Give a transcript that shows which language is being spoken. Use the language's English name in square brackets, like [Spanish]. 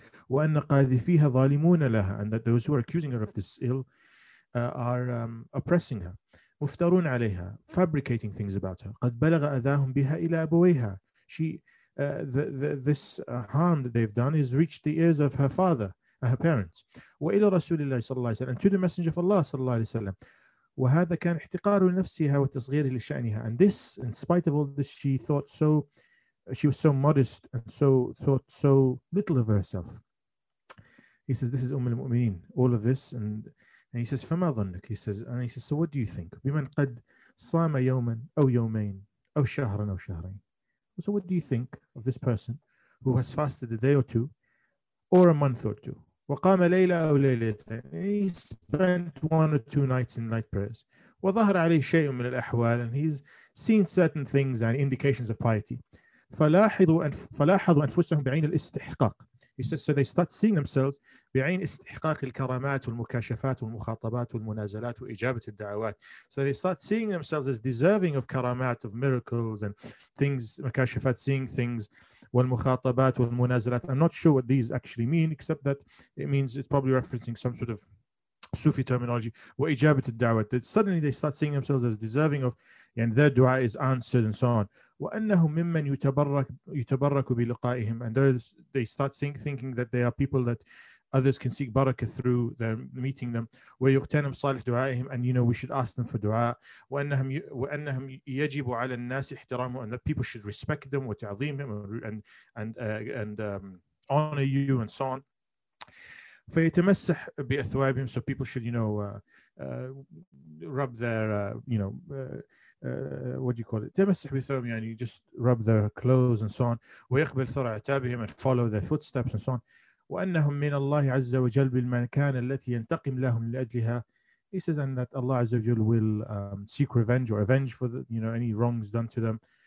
[Arabic] وَأَنَّ قَاذِفِيهَا ظَالِمُونَ لَهَا. [English] And that those who are accusing her of this ill are oppressing her. [Arabic] مُفْتَرُونَ عَلَيْهَا. [English] Fabricating things about her. [Arabic] قَدْ بَلَغَ أَذَاهُمْ بِهَا إِلَى أَبَوَيْهَا. [English] This harm that they've done has reached the ears of her father. Her parents. [Arabic] وإلى رسول الله صلى الله عليه وسلم. [English] And to the Messenger of Allah [Arabic] صلى الله عليه وسلم. وهذا كان احتقار لنفسها وتصغير لشأنها. [English] And this, in spite of all this, she thought so modest and thought so little of herself. He says, this is أم المؤمنين. All of this, and he says, [Arabic] فما ظنك? [English] He says, so what do you think? [Arabic] بمن قد صام يوما أو يومين أو شهرا أو شهرين. [English] So what do you think of this person who has fasted a day or two, or a month or two? [Arabic] وقام ليلة أو ليلتين. [English] He spent one or two nights in night prayers. [Arabic] وظهر عليه شيء من الأحوال. [English] And he's seen certain things and indications of piety. [Arabic] فلاحظوا أنفسهم بعين الاستحقاق. [English] He says, so they start seeing themselves [Arabic] بعين استحقاق الكرامات والمكاشفات والمخاطبات والمنازلات وإجابة الدعوات. [English] So they start seeing themselves as deserving of كرامات, of miracles and things, مكاشفات, seeing things. [Arabic] والمخاطبات والمنازلات. [English] I'm not sure what these actually mean, except that it means it's probably referencing some sort of Sufi terminology. [Arabic] وإجابة الدعوة. [English] That suddenly they start seeing themselves as deserving of, and their dua is answered and so on. [Arabic] وأنهم ممن يتبرك بلقائهم. [English] And they start thinking that they are people that others can seek barakah through their meeting them. [Arabic] ويغتنم صالح دعائهم. [English] And you know, we should ask them for dua. [Arabic] وأنهم يجب على الناس احترامهم. [English] And that people should respect them [Arabic] وتعظيمهم [English] and honor you and so on. [Arabic] فيتمسح بأثوابهم. [English] So people should, you know, rub their, you know, what do you call it? [Arabic] تمسح بثوابهم. [English] And you just rub their clothes and so on. [Arabic] ويقبل ثرع ثيابهم. [English] And follow their footsteps and so on. [Arabic] وأنهم من الله عز وجل بالمكان التي ينتقم لهم لأجلها. [English] He says, and that Allah عز وجل will seek revenge or avenge for the, you know, any wrongs done to them.